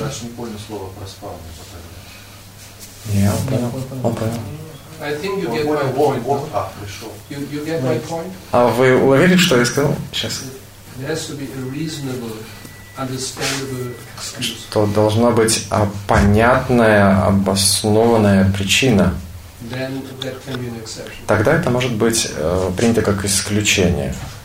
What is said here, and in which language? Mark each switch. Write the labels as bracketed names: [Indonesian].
[Russian] Я не понял слово «проспал». Не, он понял. Он понял. [English] I think you get my point. You get my point? [Russian] А вы уловили, что я сказал? Сейчас. [English] There has to be a reasonable, understandable excuse. [Russian] Что должна быть понятная, обоснованная причина. [English] Then that can be an exception. [Russian] Тогда это может быть принято как исключение.